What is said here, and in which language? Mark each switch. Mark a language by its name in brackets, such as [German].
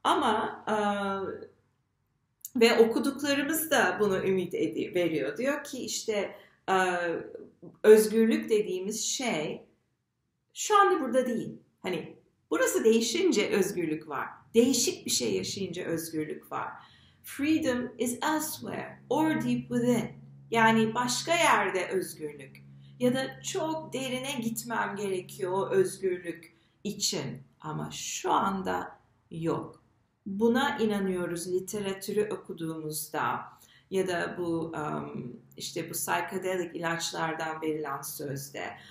[Turkish] Ama ve okuduklarımız da bunu ümit veriyor. Diyor ki işte özgürlük dediğimiz şey şu anda burada değil. Hani burası değişince özgürlük var. Değişik bir şey yaşayınca özgürlük var. [English] Freedom is elsewhere or deep within. [Turkish] Yani başka yerde özgürlük. Ya da çok derine gitmem gerekiyor o özgürlük için. Ama şu anda yok. Buna inanıyoruz literatürü okuduğumuzda ya da bu işte bu psychedelic ilaçlardan verilen sözde.